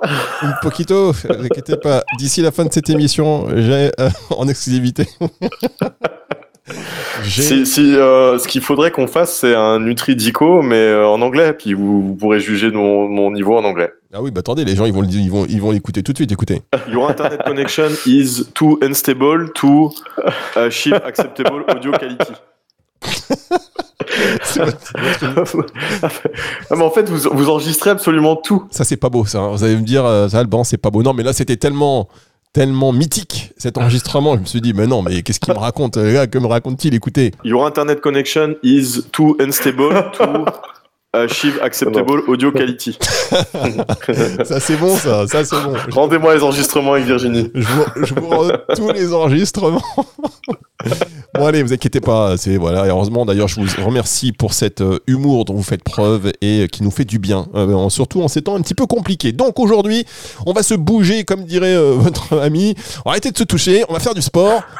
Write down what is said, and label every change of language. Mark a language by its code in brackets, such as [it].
[fr] ne vous inquiétez pas, d'ici la fin de cette émission, j'ai en exclusivité. Ce qu'il faudrait qu'on fasse, c'est un Nutridico, mais en anglais, puis vous pourrez juger de mon niveau en anglais. Ah oui, bah attendez, les gens, ils vont l'écouter tout de suite, écoutez. [en] Your internet connection is too unstable to achieve acceptable audio quality. [fr] Non, mais en fait vous enregistrez absolument tout. Ça c'est pas beau ça. Vous allez me dire ça Alban, c'est pas beau. Non mais là c'était tellement mythique cet enregistrement. Je me suis dit mais non, mais qu'est-ce qu'il me raconte les gars, que me raconte-t-il? Écoutez. [en] Your internet connection is too unstable to achieve acceptable audio quality. [fr] Ça c'est bon. Rendez-moi les enregistrements avec Virginie. Je vous rends tous les enregistrements. Bon allez, vous inquiétez pas, c'est voilà. Et heureusement d'ailleurs, je vous remercie pour cet humour dont vous faites preuve et qui nous fait du bien, surtout en ces temps un petit peu compliqués. Donc aujourd'hui, on va se bouger, comme dirait votre ami, arrêtez de se toucher, on va faire du sport.